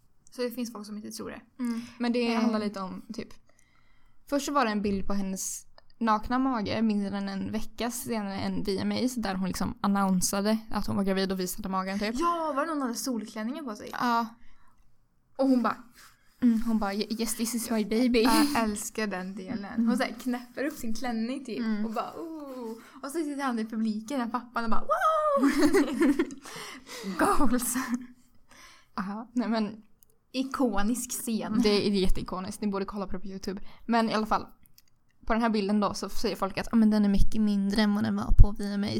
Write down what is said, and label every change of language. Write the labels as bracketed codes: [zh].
[sv] Så det finns folk som inte tror det. Mm. Men det handlar lite om typ. Först så var det en bild på hennes nakna mage mindre än en vecka senare än VMA. Så där hon liksom annonsade att hon var gravid och visade magen typ. Ja, var det någon hade solklänningen på sig? Ja. Och hon bara, [en] mm, [sv] hon bara, [en] yes, this is my baby. [sv] Jag älskar den delen. Hon så här knäpper upp sin klänning typ. Mm. Och bara, ooh. Och så sitter han i publiken, den pappan, och bara, wow! [en] Goals. [sv] Aha, nej men. Ikonisk scen. Det är jätteikoniskt, ni borde kolla på YouTube. Men i alla fall, på den här bilden då så säger folk att men den är mycket mindre än vad den var på VMA.